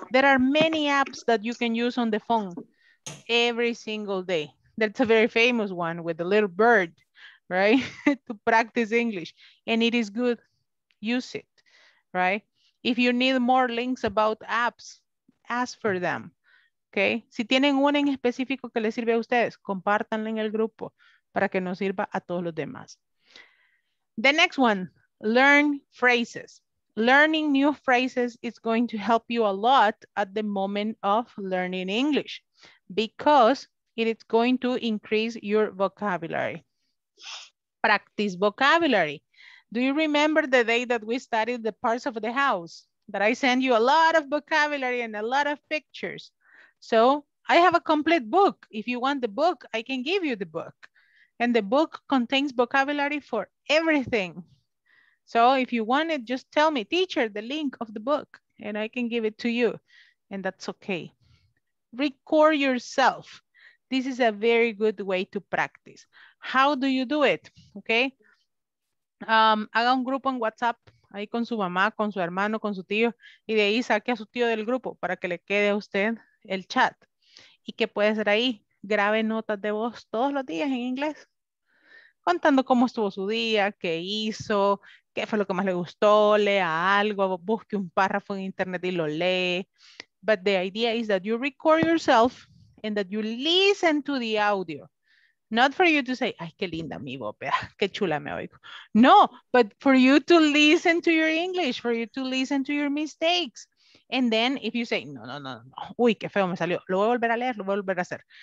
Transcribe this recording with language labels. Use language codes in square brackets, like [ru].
[en] There are many apps that you can use on the phone every single day. That's a very famous one with the little bird, right? To practice English. And it is good. Use it, right? If you need more links about apps, ask for them, okay? [es] Si tienen una en específico que les sirve a ustedes, compártanla en el grupo para que nos sirva a todos los demás. [en] The next one, learn phrases. Learning new phrases is going to help you a lot at the moment of learning English because it is going to increase your vocabulary. Practice vocabulary. Do you remember the day that we studied the parts of the house? That I sent you a lot of vocabulary and a lot of pictures. So I have a complete book. If you want the book, I can give you the book. And the book contains vocabulary for everything. So if you want it, just tell me, teacher, the link of the book, and I can give it to you. And that's okay. Record yourself. This is a very good way to practice. How do you do it? Okay. [es] Haga un grupo en WhatsApp ahí con su mamá, con su hermano, con su tío, y de ahí saque a su tío del grupo para que le quede a usted el chat. ¿Y qué puede hacer ahí? Grabe notas de voz todos los días en inglés, contando cómo estuvo su día, qué hizo, qué fue lo que más le gustó, lea algo, busque un párrafo en internet y lo lee. [en] But the idea is that you record yourself and that you listen to the audio. [es] Not for you to say, ay, qué linda mi bópea, qué chula me oigo. [en] No, but for you to listen to your English, for you to listen to your mistakes. [es] And then if you say, no, uy, qué feo me salió, lo voy a volver a leer, lo voy a volver a hacer.